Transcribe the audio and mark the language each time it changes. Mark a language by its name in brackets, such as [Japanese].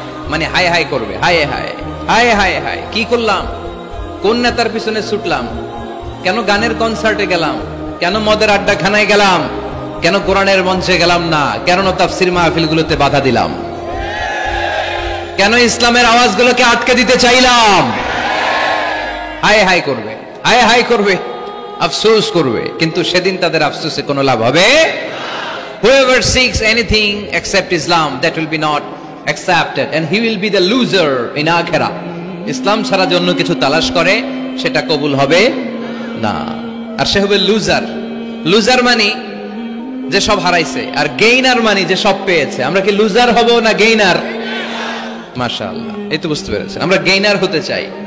[Bangla] মানে high high করবে, হায় হায় হায় হায় হায় কি করলাম, কোন নেতার পিছনে ছুটলাম, কেন গানের কনসার্টে গেলাম, কেন মদের আড্ডাখানায় গেলাম, কেন কোরআনের মঞ্চে গেলাম না, কেন তাফসীর মাহফিলগুলোতে বাধা দিলাম, কেন ইসলামের আওয়াজগুলোকে আটকে দিতে চাইলাম? হায় হায় করবে, হায় হায় করবে, আফসোস করবে, কিন্তু সেদিন তাদের আফসোসে কোনো লাভ হবে না। [English] Whoever seeks anything except Islam, that will be not accepted and he will be the loser in akhira. [Bangla] Islam ছাড়া অন্য কিছু তালাশ করে সেটা কবুল হবে না, আর সে হবে লুজার। লুজার মানে যে সব হারাইছে, আর গেইনার মানে যে সব পেয়েছে। আমরা কি লুজার হব না গেইনার? মাশাআল্লাহ, এই তো বুঝতে পেরেছেন, আমরা গেইনার হতে চাই।